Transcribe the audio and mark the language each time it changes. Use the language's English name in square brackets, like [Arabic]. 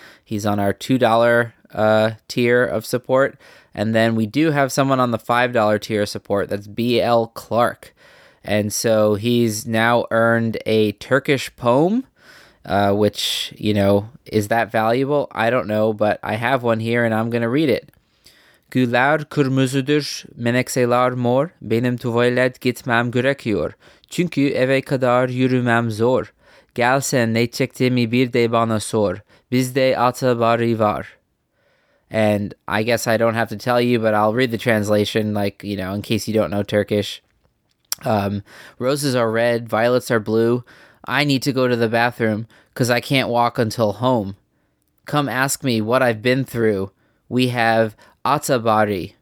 [English] He's on our $2 tier of support. And then we do have someone on the $5 tier of support. That's B.L. Clark. And so he's now earned a Turkish poem, which, you know, is that valuable? I don't know, but I have one here and I'm going to read it. [Turkish] Güler kırmızıdır, menekseler mor, benim tuvalet gitmem gerekiyor. Çünkü eve kadar yürümem zor. Gelsen ne çektiğimi bir de bana sor. Bizde ata bari var. [English] And I guess I don't have to tell you, but I'll read the translation, like, you know, in case you don't know Turkish. Roses are red, violets are blue. I need to go to the bathroom, because I can't walk until home. Come ask me what I've been through. We have Atabari.